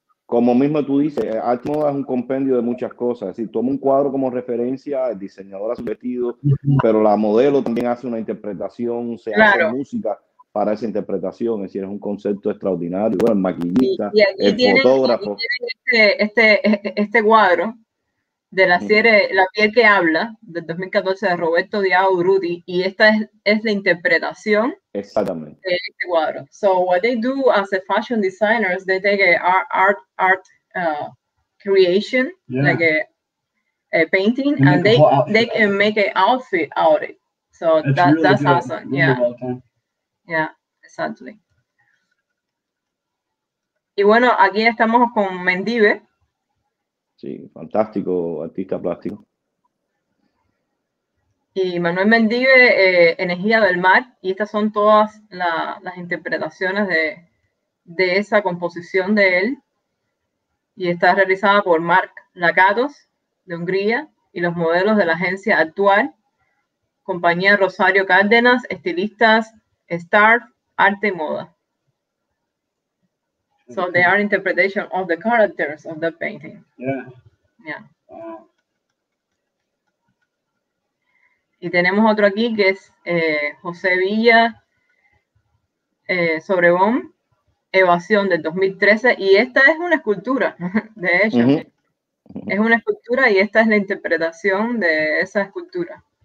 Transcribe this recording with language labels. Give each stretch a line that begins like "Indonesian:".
Spanish: Como mismo tú dices, Arte y Moda es un compendio de muchas cosas, es decir, toma un cuadro como referencia, el diseñador hace un vestido, pero la modelo también hace una interpretación, hace música para esa interpretación, es decir, es un concepto extraordinario, bueno, el maquillista, fotógrafo. Este cuadro de la serie La piel que habla, del 2014, de Roberto Diao Urruti, y esta es la interpretación exactamente de este cuadro.
English: So, what they do as a fashion designer is they take art creation, like a painting, and they can make an outfit out of it. So, that's awesome, exactly.
Spanish: Y bueno, aquí estamos con Mendive. Sí, fantástico artista plástico. Y Manuel Mendive, Energía del Mar. Y estas son todas las interpretaciones de esa composición de él. Y está realizada por Mark Lakatos, de Hungría, y los modelos de la agencia Actual, compañía Rosario Cárdenas, estilistas Star, Arte y Moda.
English: So they are interpretation of the characters of the painting. Yeah.
Spanish: Y tenemos otro aquí que es José Villa, Sobrebón, Evasión del 2013. Y esta es una escultura, de hecho. Uh-huh. Es una escultura y esta es la interpretación de esa escultura.